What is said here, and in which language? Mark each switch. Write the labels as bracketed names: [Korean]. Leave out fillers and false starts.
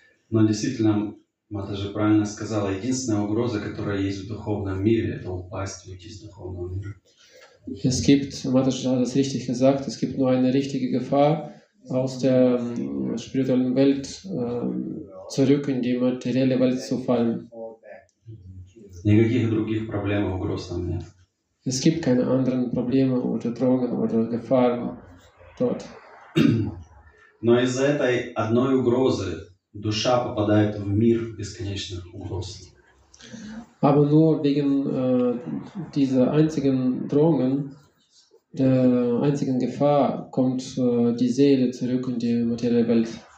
[Russian] Но действительно, Мата же правильно сказала, единственная угроза, которая есть в духовном мире, это упасть уйти из духовного мира. [German] Es gibt, Мата же hat das richtig gesagt, es gibt nur eine richtige Gefahr, aus der spirituellen Welt zurück in die materielle Welt zu fallen. [Russian] Никаких других проблем, угроз там нет. [German] Es gibt keine anderen Probleme oder Drohungen oder Gefahren dort. [Russian] Но из-за этой одной угрозы душа попадает в мир бесконечных угроз. [German] Aber nur wegen dieser einzigen Drohungen, der einzigen Gefahr, kommt die Seele zurück in die materielle Welt.